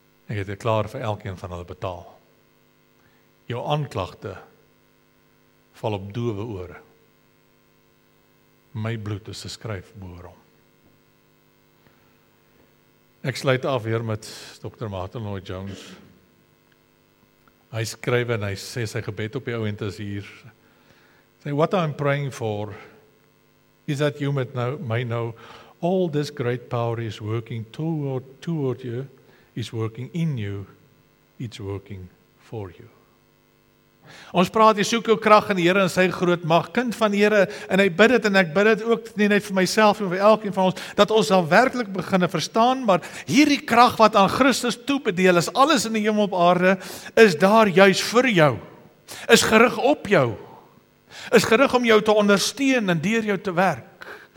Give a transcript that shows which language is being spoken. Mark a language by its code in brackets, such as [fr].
[af] Ek het dit klaar vir elkeen van hulle betaal. Jou aanklagte val op doewe ore. My bloed is geskryf boor hom. Ek sluit af weer met Dr. Martin Lloyd-Jones. Hy skryf en hy sê sy gebed op die oomblik is hier. [en] Say, what I'm praying for is that you may know all this great power is working toward you, is working in you, it's working for you. [af] Ons praat, jy soek jou krag in die Here en sy groot mag, kind van Here, en hy bid het, en ek bid het ook nie net vir myself, en vir elkeen van ons, dat ons sal werkelijk beginne verstaan, maar hierdie krag wat aan Christus toebedeel is, alles in die hemel op aarde, is daar juist vir jou, is gerig op jou, is gerig om jou te ondersteun en deur jou te werk.